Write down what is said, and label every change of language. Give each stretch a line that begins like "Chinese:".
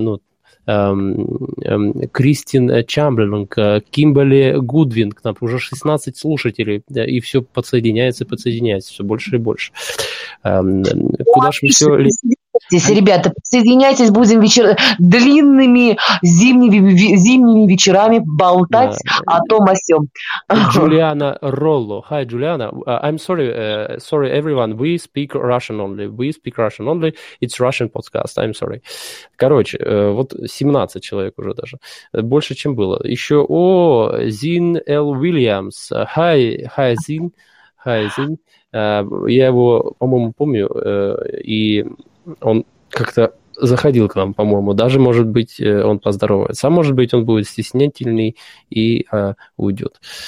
Russian: Ну, Кристин Чамберлинг, Кимберли Гудвин, к нам уже 16 слушателей, и все подсоединяется, все больше и больше. Куда же мы все... Здесь, ребята, присоединяйтесь, будем длинными зимними вечерами болтать о том о сём. Джулиана Ролло.
English: Hi, Джулиана. I'm sorry, sorry everyone, we speak Russian only. It's Russian podcast, I'm sorry.
Russian: Короче, вот 17 человек уже даже, больше, чем было. Еще, Зин Л. Уильямс.
English: Hi,
Russian: Зин. Я его, по-моему, помню, и... Он как-то заходил к нам, по-моему. Даже, может быть, он поздоровается. А может быть, он будет стеснительный и уйдет.